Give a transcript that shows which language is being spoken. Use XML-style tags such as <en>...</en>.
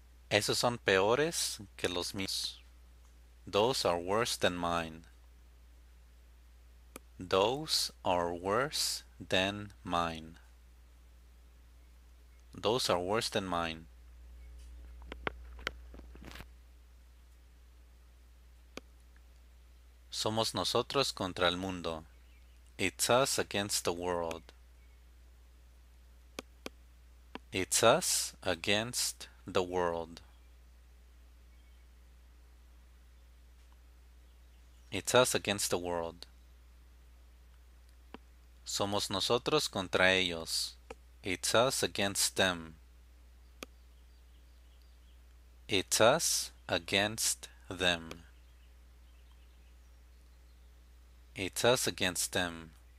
<es>Esos son peores que los míos.</es> <en>Those are worse than mine. Those are worse than mine. Those are worse than mine.</en> <es>Somos nosotros contra el mundo.</es> <en>It's us against the world. It's us against the world. It's us against the world.</en> <es>Somos nosotros contra ellos.</es> <en>It's us against them. It's us against them. It's us against them.</en>